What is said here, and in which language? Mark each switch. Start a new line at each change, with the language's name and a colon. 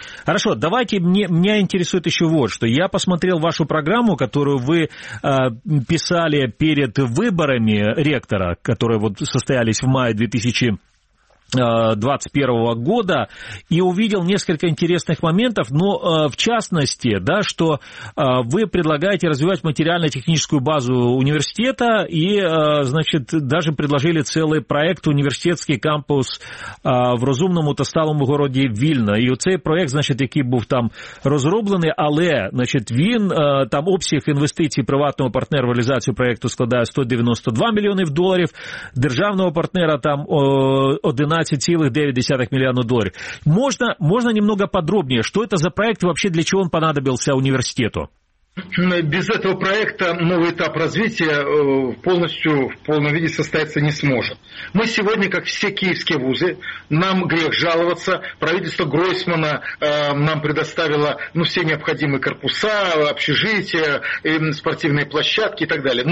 Russian: Хорошо, давайте, меня интересует еще вот что. Я посмотрел вашу программу, которую вы писали перед выборами ректора, которые вот состоялись в мае 2021 года, и увидел несколько интересных моментов, но в частности, да, что вы предлагаете развивать материально-техническую базу университета и, значит, даже предложили целый проект «Университетский кампус
Ukrainian: в розумному та сталому
Russian: городе Вильно».
Ukrainian: И вот цей проект, значит, який був там розроблений, але, значит, він, там обсяг інвестицій приватного партнера в реалізацію проекту складає 192 мільйони доларів, державного партнера там 11,9
Russian: миллиона долларов. Можно немного подробнее, что это за проект и вообще для чего он понадобился университету? Без этого проекта новый этап развития полностью в полном виде состояться не сможет. Мы сегодня, как все киевские вузы, нам грех жаловаться. Правительство Гройсмана нам предоставило все необходимые корпуса, общежития, спортивные площадки и так далее.